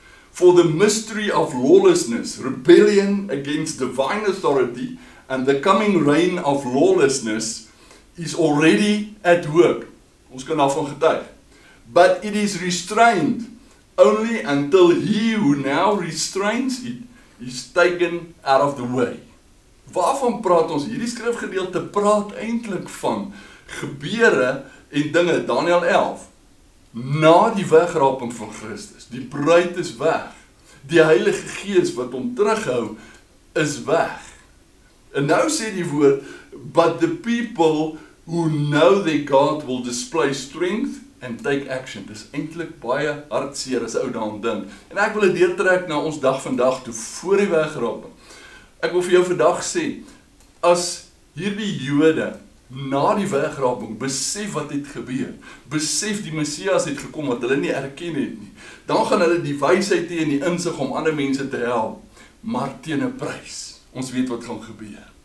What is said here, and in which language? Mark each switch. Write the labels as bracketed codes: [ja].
[en] For the mystery of lawlessness, rebellion against divine authority, and the coming reign of lawlessness is already at work. [af] Ons kan daarvan getuig. [en] But it is restrained only until he who now restrains it is taken out of the way. [af] Waarvan praat ons? Hierdie skrifgedeelte praat eindelijk van gebeure en dinge, Daniel 11. Na die wegraping van Christus, die bruid is weg, die Heilige Gees wat om terughou, is weg. En nou sê die woord, [en] but the people who know their God will display strength and take action. [af] Dit is eintlik baie hartseer as ou daan ding. En ek wil dit deurtrek na ons dag vandag toe, voor die wegraping. Ek wil vir jou vandag sê, as hierdie Jode, na die wegraping, besef wat het gebeur, besef die Messias het gekom, wat hulle nie erken het nie, dan gaan hulle die wysheid hê en die insig om ander mense te help, maar teen 'n prys, ons weet wat gaan gebeur.